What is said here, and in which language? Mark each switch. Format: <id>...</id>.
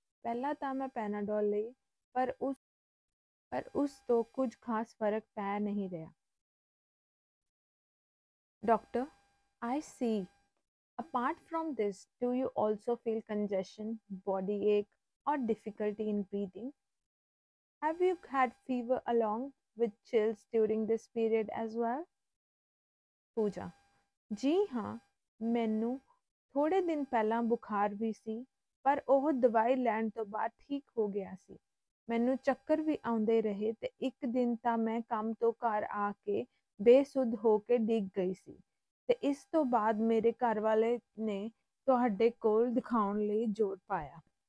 <pa>Pehla ta main Panadol layi, पर उस तो कुछ खास फर्क पै नहीं रहा.</pa> <en>Doctor, I see. Apart from this, do you also feel congestion, body ache और difficulty in breathing? Have you had fever along with chills during this period as well?</en> <pa>Pooja: ਜੀ ਹਾਂ, ਮੈਨੂੰ ਥੋੜੇ ਦਿਨ ਪਹਿਲਾਂ ਬੁਖਾਰ ਵੀ ਸੀ, ਪਰ ਉਹ ਦਵਾਈ ਲੈਣ ਤੋਂ ਬਾਅਦ ਠੀਕ ਹੋ ਗਿਆ ਸੀ। ਮੈਨੂੰ ਚੱਕਰ ਵੀ ਆਉਂਦੇ ਰਹੇ ਤੇ ਇੱਕ ਦਿਨ ਤਾਂ ਮੈਂ ਕੰਮ ਤੋਂ ਘਰ ਆ ਕੇ ਬੇਸੁੱਧ ਹੋ ਕੇ ਡਿੱਗ ਗਈ ਸੀ ਤੇ ਇਸ ਤੋਂ ਬਾਅਦ ਮੇਰੇ ਘਰ ਵਾਲੇ ਨੇ ਤੁਹਾਡੇ ਕੋਲ ਦਿਖਾਉਣ ਲਈ ਜ਼ੋਰ ਪਾਇਆ।</pa>